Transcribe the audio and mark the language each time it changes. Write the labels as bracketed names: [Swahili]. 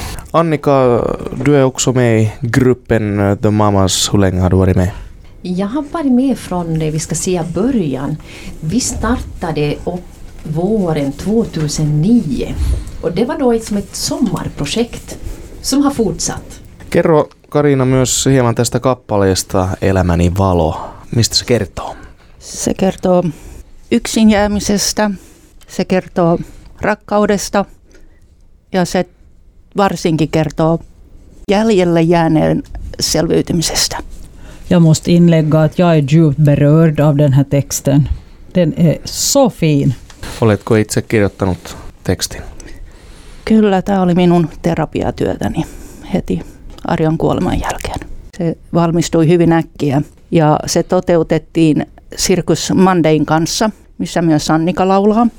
[Swedish] Annika, du är också med i gruppen The Mamas. Hur länge har du varit med? Jag har varit med från det vi ska säga början. Vi startade upp våren 2009 och det var då som ett sommarprojekt som har fortsatt. [Finnish] Kerro Karina myös hieman tästä kappaleesta Elämäni valo. Mistä se kertoo? Se kertoo yksin jäämisestä, se kertoo rakkaudesta ja se varsinkin kertoo jäljelle jääneen selviytymisestä. [Swedish] Jag måste inlägga att jag är djupt berörd av den här texten. Den är så fin. [Finnish] Oletko itse kirjoittanut tekstin? Kyllä, tämä oli minun terapiatyötäni heti Arjon kuoleman jälkeen. Se valmistui hyvin äkkiä ja se toteutettiin Sirkus Mandein kanssa, missä myös Annika laulaa.